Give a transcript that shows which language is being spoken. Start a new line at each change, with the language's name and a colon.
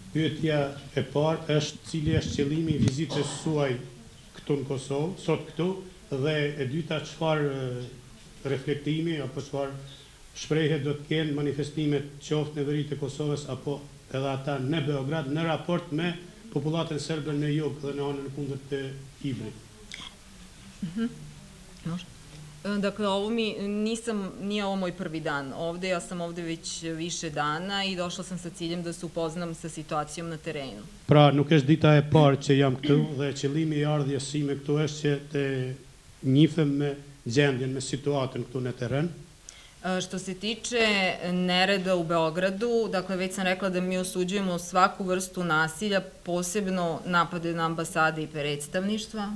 Albanian: Pyetja e parë është cili është qëllimi i vizitës suaj këtu në Kosovë, sot këtu, dhe e dyta çfarë reflektimi apo çfarë shprehje do të kenë manifestimet qoftë në veri të Kosovës apo edhe ata në Beograd në raport me popullatën serbe në jug dhe në anën kundër të Ibrit.
Serbian: Dakle, ovo mi nisam, nije ovo moj prvi dan ovde, ja sam ovde već više dana i došla sam sa ciljem da se upoznam sa situacijom na terenu.
Albanian: Pra, nuk është dita e parë që jam këtu dhe qëllimi i ardhjes sime këtu është që të njifem me gjendjen, me situatën këtu në teren.
Serbian: Što se tiče nereda u Beogradu, dakle već sam rekla da mi osuđujemo svaku vrstu nasilja, posebno napade na ambasade i predstavništva.